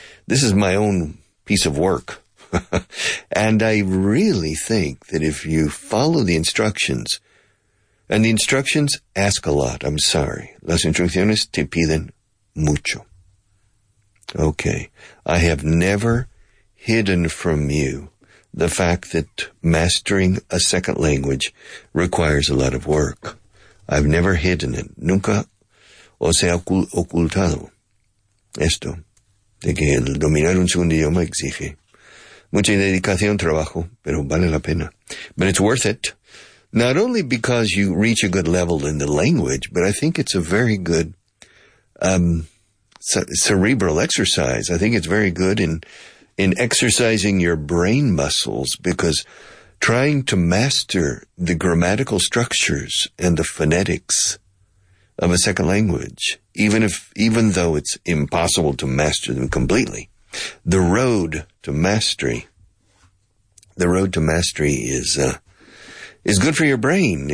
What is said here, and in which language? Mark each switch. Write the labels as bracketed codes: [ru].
[en] This is my own piece of work. And I really think that if you follow the instructions, and the instructions ask a lot, I'm sorry. [es] Las instrucciones te piden mucho. Okay. [en] I have never hidden from you the fact that mastering a second language requires a lot of work. I've never hidden it. [es] Nunca os he ocultado esto, de que el dominar un segundo idioma exige mucha dedicación, trabajo, pero vale la pena. [en] But it's worth it, not only because you reach a good level in the language, but I think it's a very good cerebral exercise. I think it's very good in exercising your brain muscles, because trying to master the grammatical structures and the phonetics of a second language, even though it's impossible to master them completely, the road to mastery is good for your brain.